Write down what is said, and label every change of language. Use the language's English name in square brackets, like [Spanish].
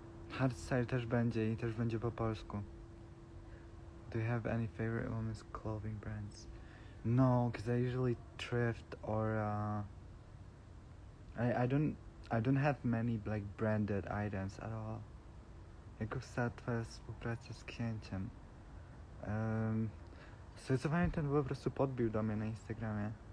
[Polish] Hardstyle też będzie i też będzie po polsku. [English] Do you have any favorite women's clothing brands? No, because I usually thrift or I don't have many like branded items at all. [Polish] Jak powstała twoja współpraca z księciem? Stosowanie ten po prostu podbił do mnie na Instagramie.